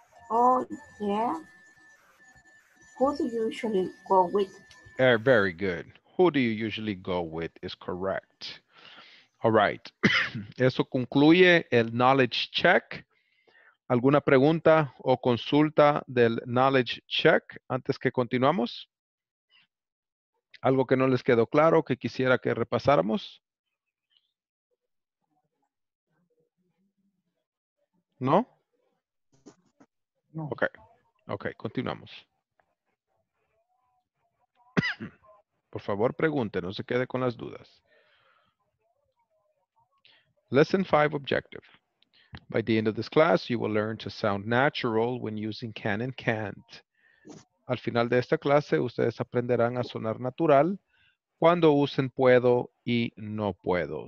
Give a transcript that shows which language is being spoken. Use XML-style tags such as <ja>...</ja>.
<en>Oh, yeah. Who do you usually go with? Very good. Who do you usually go with is correct. All right.</en> <es>Eso concluye el knowledge check. ¿Alguna pregunta o consulta del knowledge check antes que continuamos? ¿Algo que no les quedó claro que quisiera que repasáramos? ¿No? No. Okay. Okay, continuamos. Por favor, pregunte, no se quede con las dudas.</es> <en>Lesson 5 objective. By the end of this class, you will learn to sound natural when using can and can't.</en> <es>Al final de esta clase, ustedes aprenderán a sonar natural cuando usen puedo y no puedo.</es>